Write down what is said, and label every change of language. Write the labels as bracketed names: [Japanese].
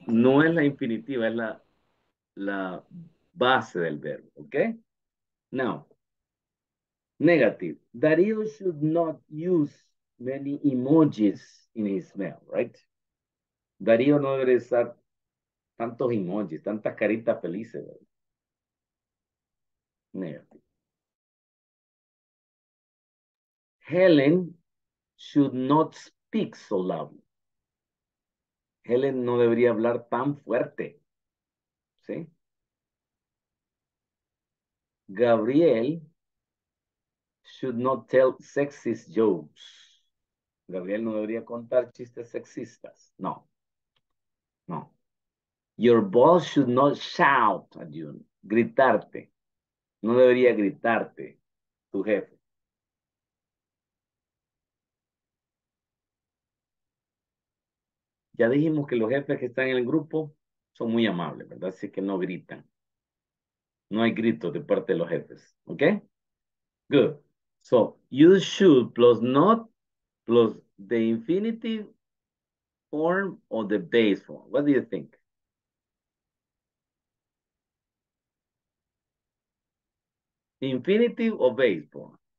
[Spanish] No es la infinitiva, es la base del verbo, ¿ok? [English] Now, negative. Darío should not use many emojis in his mail, right? [Spanish] Darío no debe usar tantos emojis, tantas caritas felices, ¿verdad? [English] Negative. Helen should not speak so loudly. [Spanish] Helen no debería hablar tan fuerte. ¿Sí? [English] Gabriel should not tell sexist jokes. [Spanish] Gabriel no debería contar chistes sexistas. No. No. [English] Your boss should not shout at you. [Spanish] Gritarte. No debería gritarte tu jefe. Ya dijimos que los jefes que están en el grupo son muy amables, ¿verdad? Así que no gritan. No hay gritos de parte de los jefes. [English] ¿Ok? Good. So, you should plus not plus the infinitive form or the base form. What do you think? Infinitive or base form?